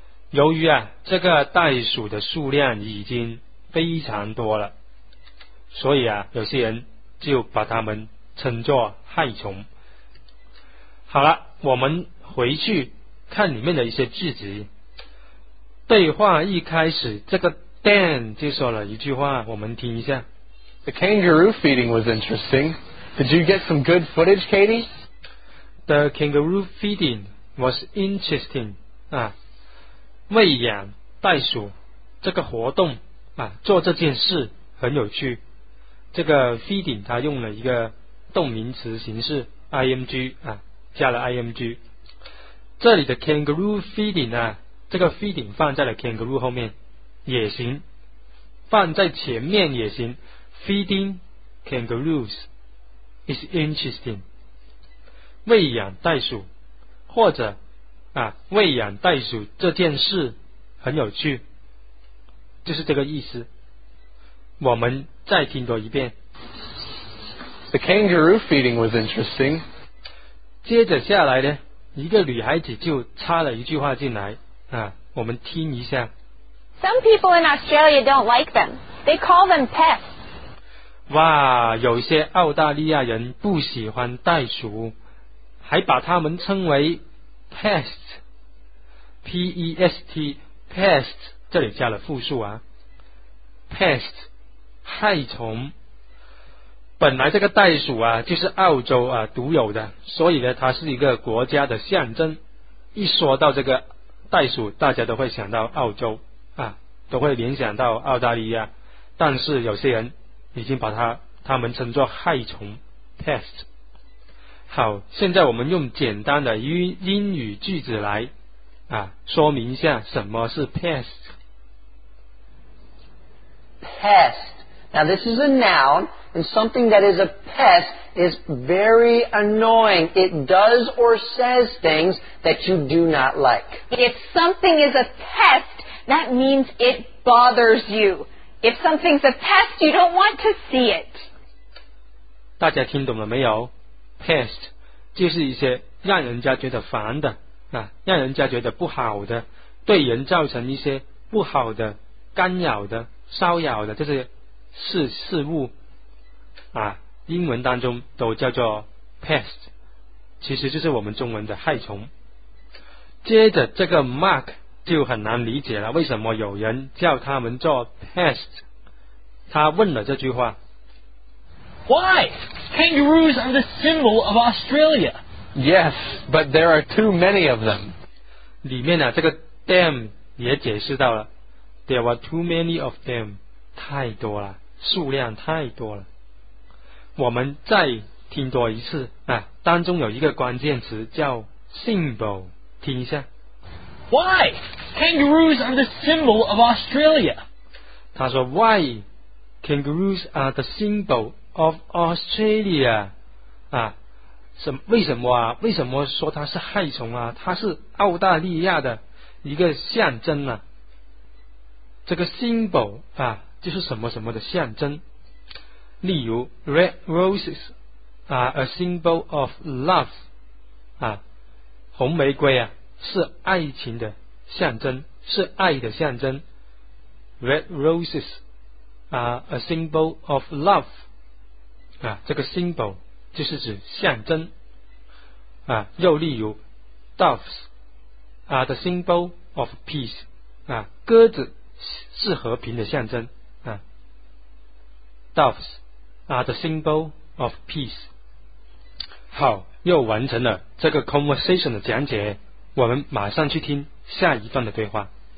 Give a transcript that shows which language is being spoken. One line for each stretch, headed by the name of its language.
Chinese: 由于啊这个袋鼠的数量已经非常多了，所以啊有些人就把它们称作害虫。好了，我们回去看里面的一些句子。对话一开始这个 Dan 就说了一句话，我们听一下。
English: The kangaroo feeding was interesting. Did you get some good footage, Katie? The kangaroo feeding was interesting.
Chinese: 啊喂养袋鼠这个活动啊，做这件事很有趣。这个 feeding 它用了一个动名词形式 ing 啊，加了 ing。这里的 kangaroo feeding 啊，这个 feeding 放在了 kangaroo 后面也行，放在前面也行。
English: Feeding kangaroos is interesting。
Chinese: 喂养袋鼠或者。啊，喂养袋鼠这件事很有趣，就是这个意思。我们再听多一遍。
English: The kangaroo feeding was interesting.
Chinese: 接着下来呢，一个女孩子就插了一句话进来啊，我们听一下。
English: Some people in Australia don't like them. They call them pests.
Chinese: 哇，有些澳大利亚人不喜欢袋鼠，还把他们称为。
English: Pest, P-E-S-T, pest, 这里加了复数啊。
Chinese: Pest, 害虫。本来这个袋鼠啊，就是澳洲啊独有的，所以呢，它是一个国家的象征。一说到这个袋鼠，大家都会想到澳洲啊，都会联想到澳大利亚。但是有些人已经把它们称作害虫 ，pest。好，现在我们用简单的英语句子来啊说明一下什么是 pest。
English: pest. Now, this is a noun, and something that is a pest is very annoying. It does or says things that you do not like. If something is a pest, that means it bothers you. If something's a pest, you don't want to see it.
Chinese: 大家听懂了没有？ Pest 就是一些让人家觉得烦的，让人家觉得不好的，对人造成一些不好的、干扰的、骚扰的这些事物啊，英文当中都叫做 pest， 其实就是我们中文的害虫。接着这个 mark 就很难理解了，为什么有人叫他们做 pest？他问了这句话
English: ：Why? Kangaroos are the symbol of Australia. Yes, but there are too many of them.
Chinese: 里面这个 them 也解释到了 ， there are too many of them，太多了。数量太多了。我们再听多一次啊，当中有一个关键词叫 symbol， 听一下。
English: Why? Kangaroos are the symbol of Australia.
Chinese: 他说 Why?
English: Kangaroos are the symbol of Australia.
Chinese: 为什么说它是害虫啊？它是澳大利亚的一个象征啊。这个 symbol 啊，就是什么什么的象征，例如 red roses are a symbol of love，红玫瑰是爱情的象征，是爱的象征。
English: red roses are a symbol of love，这个 symbol 就是指象征。又例如 doves are the symbol of peace， 鸽子是和平的象征。 Doves are the symbol of peace.
Chinese: 好，又完成了这个 conversation 的讲解，我们马上去听下一段的对话。